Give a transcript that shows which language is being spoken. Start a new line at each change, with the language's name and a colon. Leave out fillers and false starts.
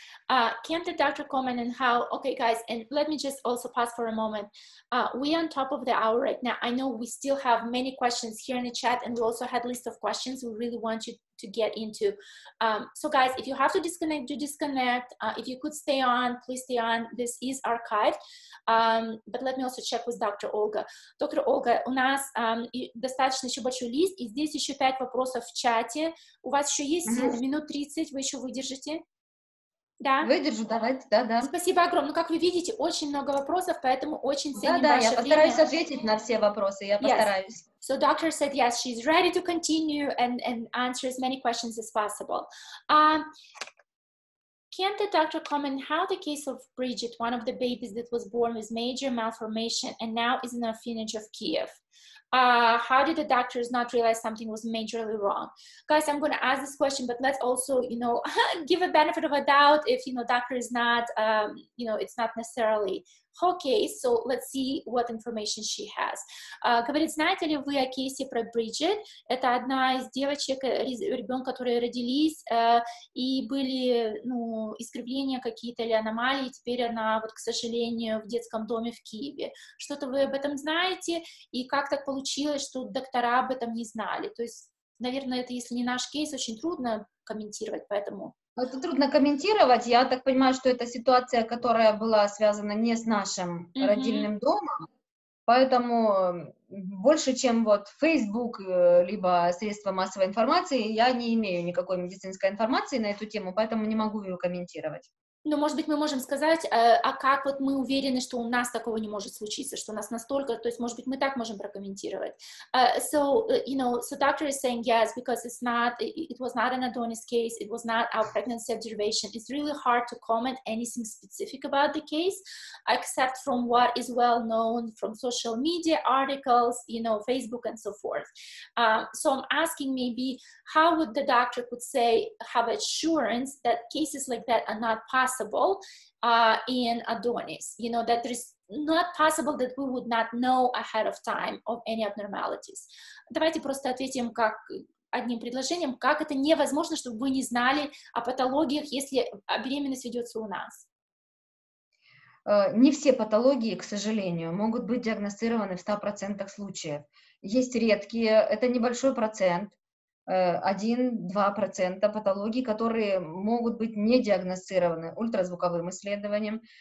English: Can the doctor comment on how, okay guys, and let me just also pause for a moment. We are on top of the hour right now. I know we still have many questions here in the chat, and we also had a list of questions we really want you to get into. So guys, if you have to disconnect, do disconnect. If you could stay on, please stay on. This is archived. But let me also check with Dr. Olga. Dr.
Russian: Olga, у нас достаточно еще большой лист, и здесь еще 5 вопросов в чате. У вас еще есть минут 30, вы еще выдержите? Да. Выдержу, давайте, да-да. Спасибо огромное. Как вы видите, очень много вопросов, поэтому очень ценим ваше время. Да-да, я постараюсь ответить на все вопросы, я постараюсь.
English: Yes. So doctor said yes, she's ready to continue and answer as many questions as possible. Can the doctor comment how the case of Bridget, one of the babies that was born with major malformation and now is in the orphanage of Kiev? How did the doctors not realize something was majorly wrong? Guys, I'm going to ask this question, but let's also, you know, give a benefit of a doubt if, you know, doctor is not, you know, it's not necessarily her case. So let's see what information she has.
Russian: Говорит, знаете ли вы о кейсе про Бриджит? Это одна из девочек, ребенок, которые родились, и были, ну, искривления какие-то или аномалии, теперь она, вот, к сожалению, в детском доме в Киеве. Что-то вы об этом знаете? И как так получилось, что доктора об этом не знали? То есть, наверное, это, если не наш кейс, очень трудно комментировать, поэтому... Это трудно комментировать. Я так понимаю, что это ситуация, которая была связана не с нашим родильным домом, поэтому больше, чем вот Facebook либо средства массовой информации, я не имею никакой медицинской информации на эту тему, поэтому не могу ее комментировать. Но, может быть, мы можем сказать, а как вот мы уверены, что у нас такого не может случиться, что у нас настолько, то есть, может быть, мы так можем прокомментировать.
English: So, you know, so doctor is saying yes, because it's not, it was not an Adonis case, it was not our pregnancy observation. It's really hard to comment anything specific about the case, except from what is well known from social media articles, you know, Facebook and so forth. So I'm asking maybe how would the doctor could say, have assurance that cases like that are not possible in Adonis, you know, that there is not possible that we would not know ahead of time of any abnormalities.
Russian: Давайте просто ответим как одним предложением, как это невозможно, чтобы вы не знали о патологиях, если беременность ведется у нас. Не все патологии, к сожалению, могут быть диагностированы в 100% случаев. Есть редкие, это небольшой процент. 1-2% патологий, которые могут быть не диагностированы ультразвуковым исследованием.